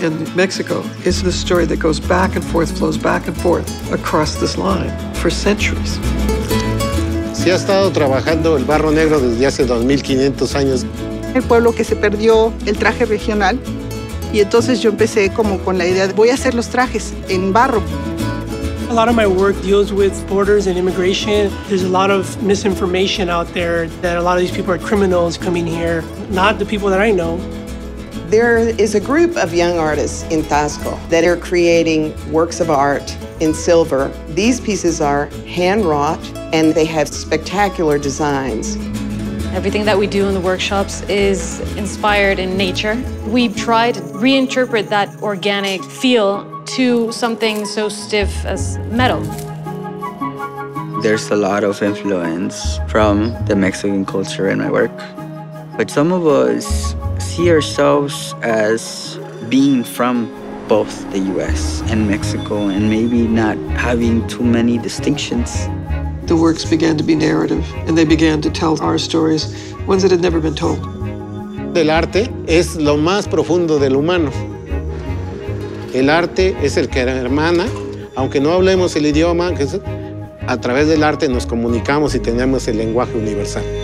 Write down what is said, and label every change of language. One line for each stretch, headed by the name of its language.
English: and Mexico is the story that goes back and forth, flows back and forth across this line for centuries.
Spanish: Se ha estado trabajando el barro negro desde hace 2,500 años. El pueblo que se perdió el traje regional. Y entonces yo empecé como con la idea de voy a hacer los trajes en barro.
English: A lot of my work deals with borders and immigration. There's a lot of misinformation out there that a lot of these people are criminals coming here, not the people that I know. There is a group of young artists in Taxco that are creating works of art in silver. These pieces are hand-wrought and they have spectacular designs. Everything that we do in the workshops is inspired in nature. We try to reinterpret that organic feel to something so stiff as metal. There's a lot of influence from the Mexican culture in my work. But some of us see ourselves as being from both the US and Mexico and maybe not having too many distinctions. The works began to be narrative, and they began to tell our stories, ones that had never been told.
Spanish: Del arte es lo más profundo del humano. El arte es el que hermana, aunque no hablemos el idioma, a través del arte nos comunicamos y tenemos el lenguaje universal.